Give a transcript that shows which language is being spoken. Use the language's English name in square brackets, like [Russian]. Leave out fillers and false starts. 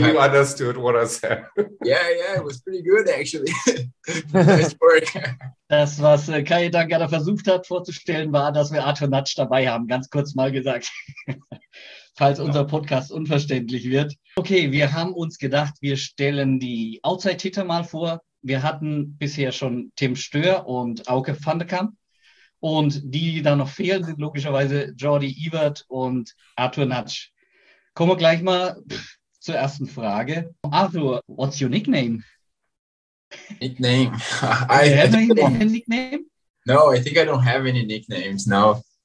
[English] Hopefully you understood what I said. Yeah, it was pretty good actually. Nice work. [German] Das, was Kai dann gerade versucht hat vorzustellen, war, dass wir Arthur Natsch dabei haben, ganz kurz mal gesagt. Falls unser Podcast unverständlich wird. Okay, wir haben uns gedacht, wir stellen die Outside-Hitter mal vor. Wir hatten bisher schon Tim Stöhr und Auke van de Kamp. Und die, die da noch fehlen, sind logischerweise Jordi Ewert und Arthur Natsch. Kommen wir gleich mal zur ersten Frage. [English] Arthur, what's your nickname? Nickname? Do you have a nickname? No, I think I don't have any nicknames now.